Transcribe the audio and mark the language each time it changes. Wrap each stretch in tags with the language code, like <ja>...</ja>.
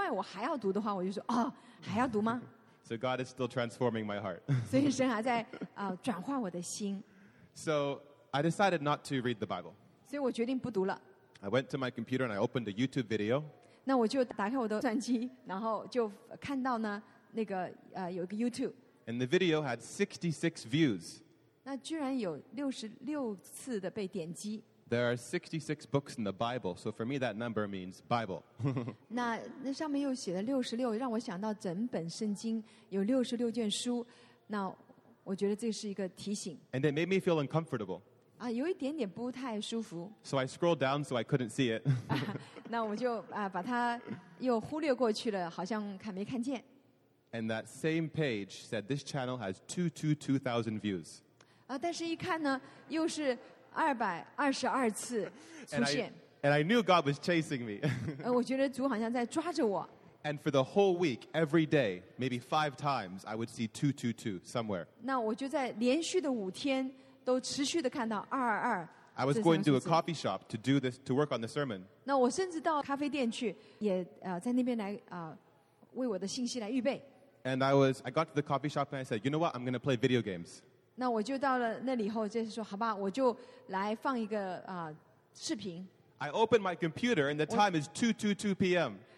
<zh>但是呢，在这个两段时间之外，我还要读的话，我就说，哦，还要读吗？</zh> <en>So God is still transforming my heart.</en> <zh>所以神还在转化我的心。</zh> <en>So I decided not to read the Bible.</en> <zh>所以我决定不读了。</zh> <en>I went to my computer and I opened a YouTube video.</en> <zh>那我就打开我的专机，然后就看到呢，那个有一个YouTube.</zh> <en>And the video had 66 views.</en> <zh>那居然有66次的被点击。</zh> <en>There are 66 books in the Bible, so for me that number means Bible.</en> <zh>那上面又写了66，让我想到整本圣经有66卷书，那我觉得这是一个提醒。</zh> <en>And it made me feel uncomfortable.</en> <zh>有一点点不太舒服。</zh> <en>So I scrolled down so I couldn't see it.</en> <zh>那我就把它又忽略过去了，好像看没看见。</zh> <en>And that same page said this channel has 2,000 views.</en> <zh>但是一看呢, 又是222次出现。</zh> <en>And I knew God was chasing me.</en> <zh>我觉得主好像在抓着我。</zh> <en>And for the whole week, every day, maybe five times, I would see 222 somewhere.</en> <zh>那我就在连续的五天都持续的看到222。</zh> <en>I was going to a coffee shop to do this, to work on the sermon.</en> <zh>那我甚至到咖啡店去，也在那边来为我的信息来预备。</zh> <en>And I got to the coffee shop and I said, you know what, I'm going to play video games.</en> <zh>那我就到了那里以后就是说好吧我就来放一个视频。</zh> <en>I opened my computer and the time is 2:22 p.m.</en>